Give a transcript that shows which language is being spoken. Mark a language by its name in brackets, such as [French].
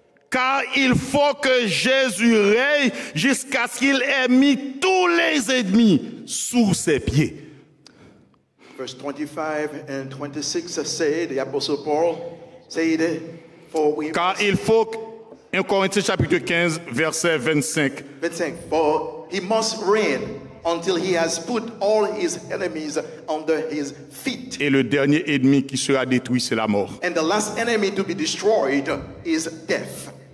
[French] Car il faut que Jésus règne jusqu'à ce qu'il ait mis tous les ennemis sous ses pieds. [English] Verse 25 and 26 say the apostle Paul said for we. [French] Car il faut que 1 Corinthiens chapitre 15 verset 25. [English] 25. For he must reign until he has put all his enemies under his feet. [French] Et le dernier ennemi qui sera détruit, c'est la mort. [English] And the last enemy to be destroyed is death.